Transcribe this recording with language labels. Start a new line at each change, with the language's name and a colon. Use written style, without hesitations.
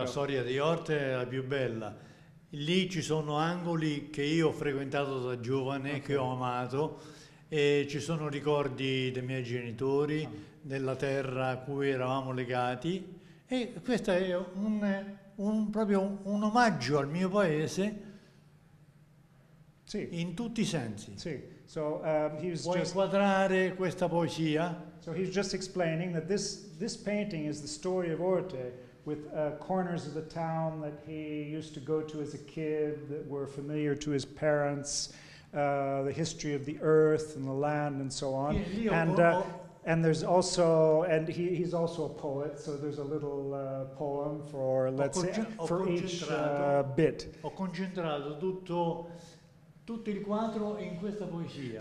Italian: La storia di Orte è la più bella. Lì ci sono angoli che io ho frequentato da giovane, okay, che ho amato, e ci sono ricordi dei miei genitori, della terra a cui eravamo legati, e questo è un omaggio al mio paese, sì, in tutti I sensi. Sì. So, puoi inquadrare questa poesia?
English: So he's just explaining that this painting is the story of Orte, with corners of the town that he used to go to as a kid, that were familiar to his parents, the history of the earth and the land and so on. And there's also, and he's also a poet, so there's a little poem for, let's say, for each bit.
Italian: Ho concentrato tutto il quadro in questa poesia.